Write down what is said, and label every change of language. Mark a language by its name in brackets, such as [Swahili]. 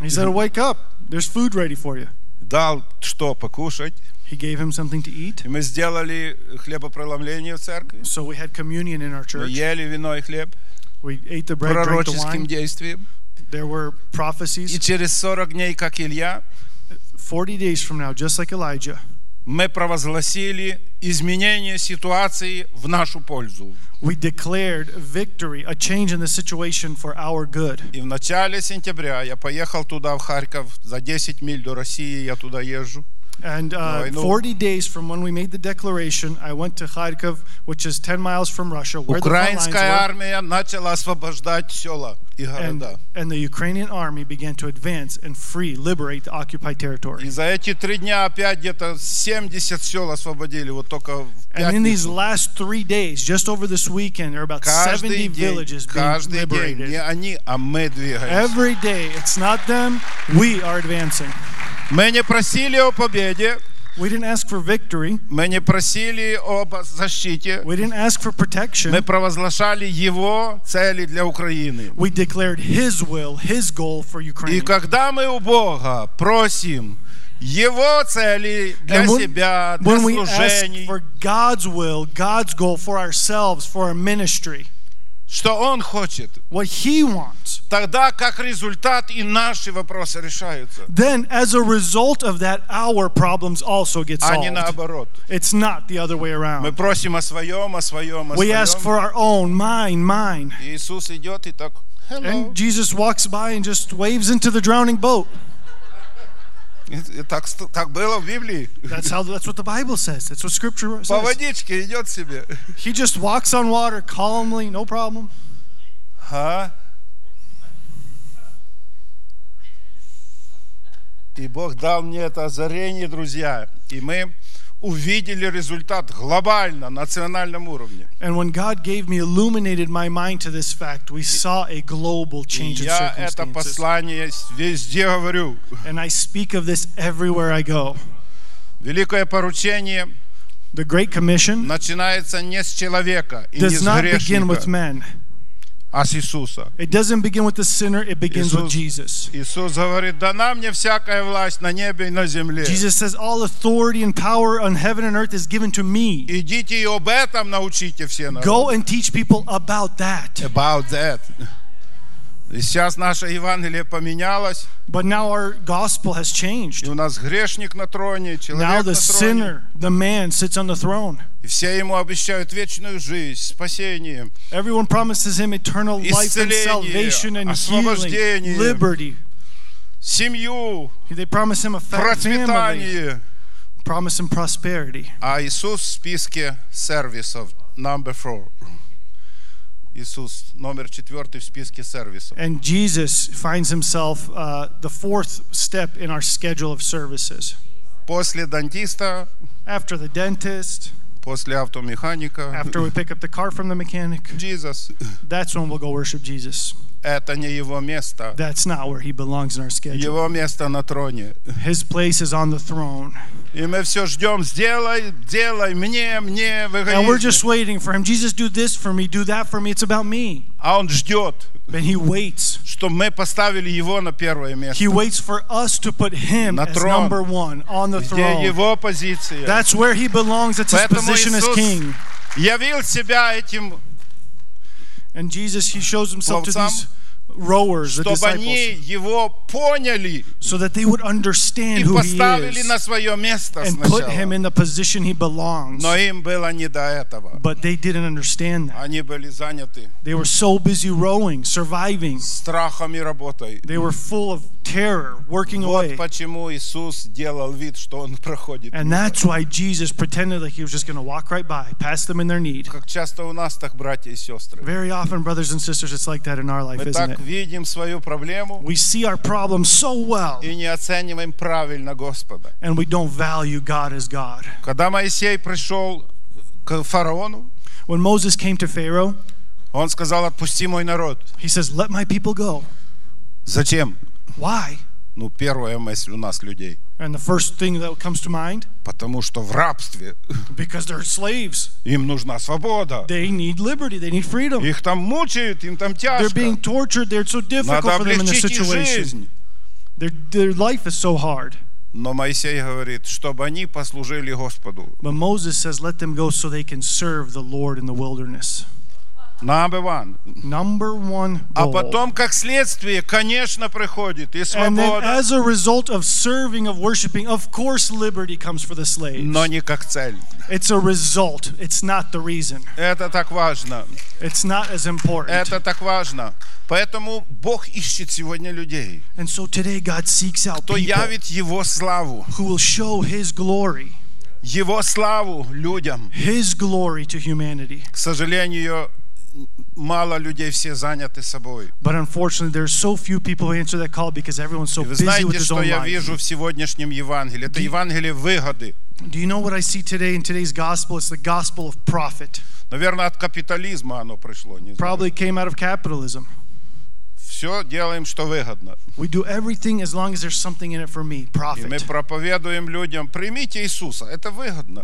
[English] He said, wake up, there's food ready for you. [Russian] Дал что, покушать. [English] He gave him something to eat. [Russian] Мы сделали хлебопреломление в церкви. [English] So we had communion in our church. [Russian] Мы ели вино и хлеб. [English] We ate the bread, drank the wine. [Russian] Пророческим действием. [English] There were prophecies. [Russian] И через 40 дней, как Илья. [English] 40 days from now, just like Elijah. [Russian] Мы провозгласили изменение ситуации в нашу пользу. [English] We declared victory, a change in the situation for our good. [Russian] И в начале сентября я поехал туда, в Харьков, за 10 миль до России я туда езжу. [English] And 40 days from when we made the declaration, I went to Kharkiv, which is 10 miles from Russia, where the front lines were, and the Ukrainian army began to advance and free, liberate the occupied territory. And in these last 3 days, just over this weekend, there are about 70 villages being liberated. Every day, it's not them, we are advancing. [Ukrainian] Мені просили о победі. [English] We didn't ask for victory. [Ukrainian] Мені просили об защиті. [English] We didn't ask for protection. [Ukrainian] Ми провозглашали його цілі для України. [English] We declared his will, his goal for Ukraine. [Ukrainian] І коли ми у Бога просим його цілі для себе, для служіння. [English] We ask for God's will, God's goal for ourselves, for our ministry. [Ukrainian] Що він хоче? [English] What he wants. [Ukrainian] Тогда як результат і наші вопроси рішаються. [English] Then as a result of that our problems also get solved. [Russian] А не наоборот. [English] It's not the other way around. [Ukrainian] Ми просимо о своём. [English] We ask for our own, mine. [Ukrainian] Ісус іде і так. Hello. [English] And Jesus walks by and just waves into the drowning boat. [Ukrainian] Так було в Біблії. [English] That's what the Bible says. That's what scripture says. [Ukrainian] По водичці йде собі. [English] He just walks on water calmly, no problem. Ха. [Ukrainian] І Бог дав мені це озарення, друзі, і ми увидели результат глобально на національному рівні. [English] And when God gave me illuminated my mind to this fact, we saw a global change in circumstances. [Russian] Я это послание везде говорю. [English] And I speak of this everywhere I go. [Russian] Великое поручение. [English] The Great Commission. [Russian] Начинается не с человека и не с грешника. [English] Does not begin with men. [Russian] А с Иисуса. [English] It doesn't begin with the sinner, it begins with Jesus. [Russian] Иисус говорит: "Дана мне всякая власть на небе и на земле." [English] Jesus says, "All authority and power on heaven and earth is given to me." [Russian] Идите и об этом научите все народы. [English] Go and teach people about that. About that. [Russian] И сейчас наше Евангелие поменялось. [English] But now our gospel has changed. [Russian] И у нас грешник на троне, человек на троне. [English] Now the sinner, the man sits on the throne. [Russian] И все ему обещают вечную жизнь, спасение. [English] Everyone promises him eternal life and salvation and healing, liberty. [Russian] Семью. [English] They promise him a family. Promise him prosperity. [Russian] А Иисус в списке сервисов [English] number 4. [Russian] Иисус номер четвертый в списке сервисов. [English] And Jesus finds himself the fourth step in our schedule of services. [Russian] После дантиста. [English] After the dentist. [Russian] После автомеханика. [English] After we pick up the car from the mechanic. Jesus. That's when we'll go worship Jesus. [Russian] Это не его место. [English] That's not where he belongs in our schedule. [Russian] Его место на троне. [English] His place is on the throne. [Russian] И мы все ждем, сделай мне в эгоизме. [English] And we're just waiting for him. Jesus, do this for me, do that for me. It's about me. [Russian] А он ждет. [English] And he waits. [Russian] Что мы поставили его на первое место. [English] He waits for us to put him [Russian] на трон, [English] as number one on the throne. [Russian] Где его позиция. [English] That's where he belongs. That's [Russian] Поэтому [English] his position [Russian] Иисус [English] as king. [Russian] Явил себя этим. [English] And Jesus, he shows himself [Russian] Пловцам, [English] to these rowers, the [Russian] чтобы [English] disciples, [Russian] они его поняли, [English] so that they would understand who he is, [Russian] и поставили на свое место сначала, [English] and put him in the position he belongs. [Russian] Но им было не до этого. [English] But they didn't understand that. [Russian] Они были заняты. [English] They were so busy rowing, surviving. [Russian] Страхом и работой. [English] They were full of terror, working [Russian] вот [English] away. [Russian] Вот почему Иисус делал вид, что он проходит. [English] And that's why Jesus pretended like he was just going to walk right by, pass them in their need. [Russian] Как часто у нас так, братья и сестры. [English] Very often, brothers and sisters, it's like that in our life, isn't it? [Russian] Видим свою проблему. [English] We see our problem so well. [Ukrainian] І не оцінюємо правильно Господа. [English] And we don't value God as God. [Ukrainian] Коли Моїсей прийшов к фараону, [English] when Moses came to Pharaoh, [Ukrainian] він сказав: "Отпусти мій народ." [English] He says, "Let my people go." [Russian] Зачем? [English] Why? [Ukrainian] Ну, перша мисль у нас людей. [English] And the first thing that comes to mind? [Ukrainian] Потому що в рабстві. [English] Because they're slaves. [Ukrainian] Їм нужна свобода. [English] They need liberty, they need freedom. [Ukrainian] Їх там мучають, їм там тяжко. [English] They're being tortured, they're so difficult for them in this situation. Their life is so hard. [Russian] Но Моисей говорит, чтобы они послужили Господу. [English] But Moses says, let them go so they can serve the Lord in the wilderness. Number one. Number one goal. [Russian] А потом, как следствие, конечно, приходит и свобода. [English] And then as a result of serving, of worshiping, of course liberty comes for the slaves. [Russian] Но не как цель. [English] It's a result. It's not the reason. [Russian] Это так важно. [English] It's not as important. [Russian] Это так важно. Поэтому Бог ищет сегодня людей. [English] And so today God seeks out [Russian] people. Кто явит Его славу. [English] Who will show His glory. [Russian] Его славу людям. [English] His glory to humanity. [Russian] К сожалению, мало людей, все заняты собой. [English] But unfortunately, there are so few people who answer that call because everyone's so busy with their own life. [Russian] Вы знаете, что я вижу в сегодняшнем Евангелии? Это Евангелие выгоды. [English] Do you know what I see today in today's gospel? It's the gospel of profit. [Russian] Наверное, от капитализма оно пришло. [English] Probably came out of capitalism. [Russian] Все делаем, что выгодно. [English] We do everything as long as there's something in it for me, profit. [Russian] И мы проповедуем людям: примите Иисуса, это выгодно.